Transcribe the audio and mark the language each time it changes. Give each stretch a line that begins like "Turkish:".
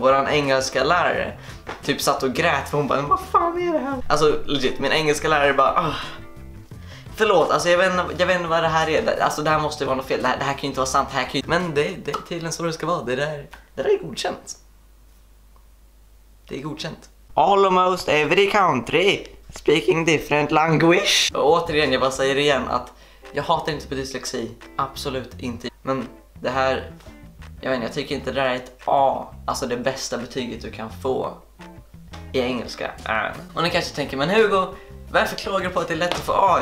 Swedish: Våran engelska lärare typ satt och grät för hon bara, vad fan är det här? Alltså legit, min engelska lärare bara, förlåt, alltså jag vet inte vad det här är. Alltså det här måste ju vara något fel. Det här kan ju inte vara sant. Men det är tydligen så det ska vara. Det där är godkänt. Det är godkänt.
English: Almost every country speaking different language.
Swedish: Och återigen, jag bara säger igen att jag hatar inte på dyslexi. Absolut inte. Men det här, jag vet inte, jag tycker inte det där är ett A. Alltså det bästa betyget du kan få i engelska. Och ni kanske tänker, men Hugo, varför klagar du på att det är lätt att få A?